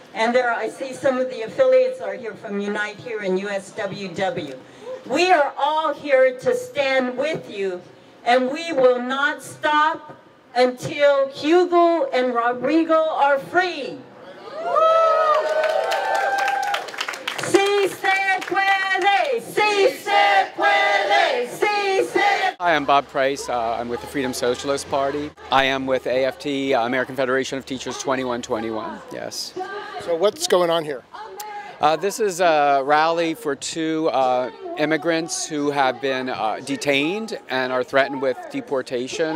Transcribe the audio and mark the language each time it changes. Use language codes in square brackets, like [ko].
[en] And there I see some of the affiliates are here from Unite here in USWW. We are all here to stand with you, and we will not stop until Hugo and Rodrigo are free. [es] Si se puede, si se puede, si se. [en] Hi, I'm Bob Price. I'm with the Freedom Socialist Party. I am with AFT, American Federation of Teachers 2121, yes. So what's going on here? This is a rally for two immigrants who have been detained and are threatened with deportation.